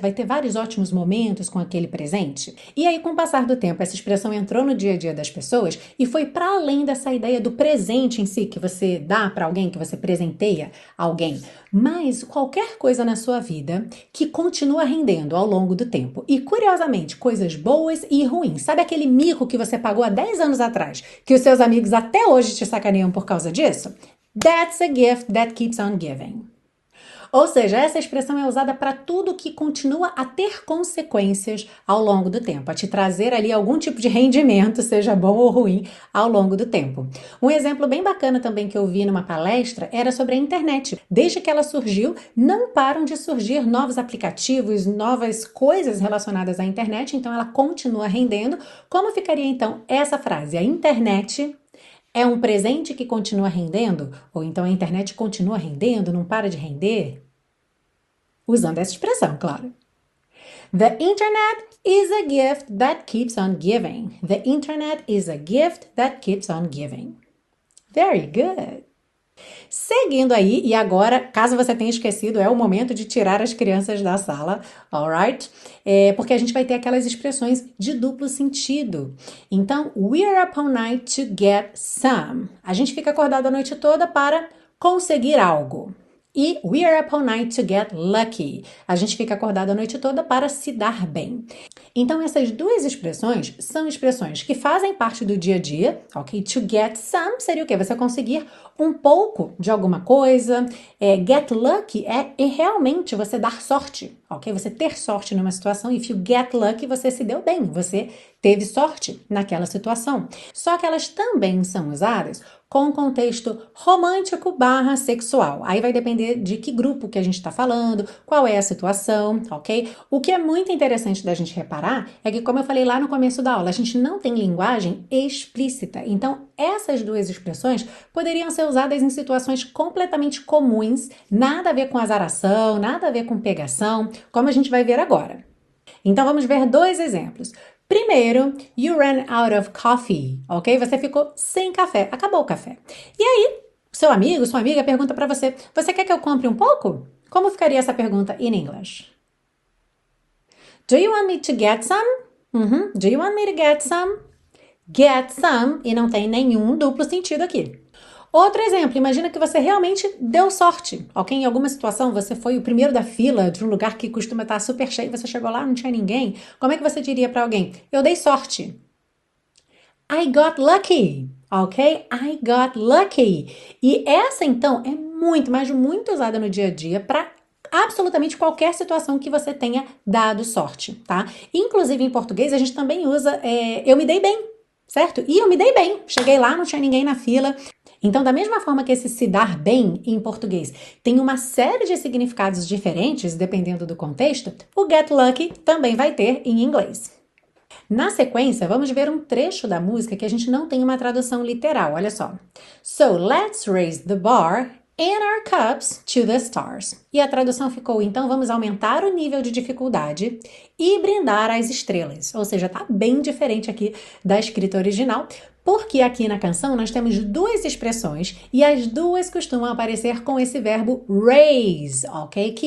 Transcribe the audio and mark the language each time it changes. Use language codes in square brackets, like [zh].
[pt] Vai ter vários ótimos momentos com aquele presente. E aí, com o passar do tempo, essa expressão entrou no dia a dia das pessoas e foi para além dessa ideia do presente em si, que você dá para alguém, que você presenteia alguém. Mas qualquer coisa na sua vida que continua rendendo ao longo do tempo. E curiosamente, coisas boas e ruins. Sabe aquele mico que você pagou há 10 anos atrás, que os seus amigos até hoje te sacaneiam por causa disso? [en] That's a gift that keeps on giving. [pt] Ou seja, essa expressão é usada para tudo que continua a ter consequências ao longo do tempo, a te trazer ali algum tipo de rendimento, seja bom ou ruim, ao longo do tempo. Um exemplo bem bacana também que eu vi numa palestra era sobre a internet. Desde que ela surgiu, não param de surgir novos aplicativos, novas coisas relacionadas à internet, então ela continua rendendo. Como ficaria então essa frase? A internet é um presente que continua rendendo? Ou então a internet continua rendendo, não para de render? Usando essa expressão, claro. [en] The internet is a gift that keeps on giving. The internet is a gift that keeps on giving. Very good. [pt] Seguindo aí, e agora, caso você tenha esquecido, é o momento de tirar as crianças da sala, alright? Porque a gente vai ter aquelas expressões de duplo sentido. Então, [en] we're up all night to get some. [pt] A gente fica acordado a noite toda para conseguir algo. E [en] we're up all night to get lucky. [pt] A gente fica acordado a noite toda para se dar bem. Então, essas duas expressões são expressões que fazem parte do dia a dia, ok? To get some seria o quê? Você conseguir um pouco de alguma coisa. Get lucky é realmente você dar sorte, ok? Você ter sorte numa situação. [en] If you get lucky, [pt] você se deu bem, você teve sorte naquela situação. Só que elas também são usadas com contexto romântico barra sexual. Aí vai depender de que grupo que a gente está falando, qual é a situação, ok? O que é muito interessante da gente reparar é que, como eu falei lá no começo da aula, a gente não tem linguagem explícita. Então, essas duas expressões poderiam ser usadas em situações completamente comuns, nada a ver com azaração, nada a ver com pegação, como a gente vai ver agora. Então, vamos ver dois exemplos. [en] Primeiro, you ran out of coffee, ok? [pt] Você ficou sem café, acabou o café. E aí, seu amigo, sua amiga pergunta para você: você quer que eu compre um pouco? Como ficaria essa pergunta in English? [en] Do you want me to get some? Do you want me to get some? [pt] Get some, e não tem nenhum duplo sentido aqui. Outro exemplo, imagina que você realmente deu sorte, ok? Em alguma situação você foi o primeiro da fila de um lugar que costuma estar super cheio, você chegou lá, não tinha ninguém. Como é que você diria para alguém? Eu dei sorte. [en] I got lucky, [pt] ok? [en] I got lucky. [pt] E essa então é muito, mas muito usada no dia a dia para absolutamente qualquer situação que você tenha dado sorte, tá? Inclusive em português a gente também usa eu me dei bem, certo? E eu me dei bem, cheguei lá, não tinha ninguém na fila. Então, da mesma forma que esse se dar bem em português tem uma série de significados diferentes, dependendo do contexto, o get lucky também vai ter em inglês. Na sequência, vamos ver um trecho da música que a gente não tem uma tradução literal, olha só. [en] So let's raise the bar and our cups to the stars. [pt] E a tradução ficou: então vamos aumentar o nível de dificuldade e brindar às estrelas. Ou seja, tá bem diferente aqui da escrita original, porque aqui na canção nós temos duas expressões e as duas costumam aparecer com esse verbo raise, ok?